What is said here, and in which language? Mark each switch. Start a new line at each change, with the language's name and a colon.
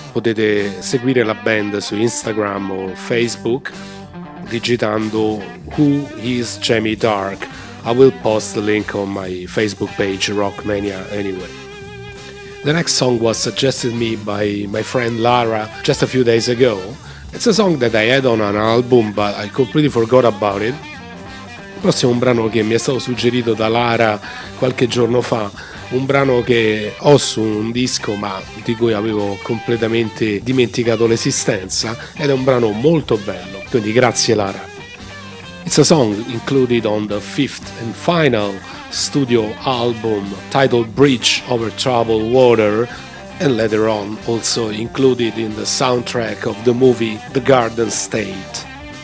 Italian: Potete seguire la band su Instagram o Facebook digitando Who is Jamie Dark.
English: I will post the link on my Facebook page, Rockmania, anyway. The next song was suggested to me by my friend Lara just a few days ago. It's a song that I had on an album, but I completely forgot about it.
Italian: Il prossimo è un brano che mi è stato suggerito da Lara qualche giorno fa, un brano che ho su un disco ma di cui avevo completamente dimenticato l'esistenza, ed è un brano molto bello, quindi grazie Lara.
English: It's a song included on the fifth and final studio album titled Bridge Over Troubled Water, and later on also included in the soundtrack of the movie The Garden State.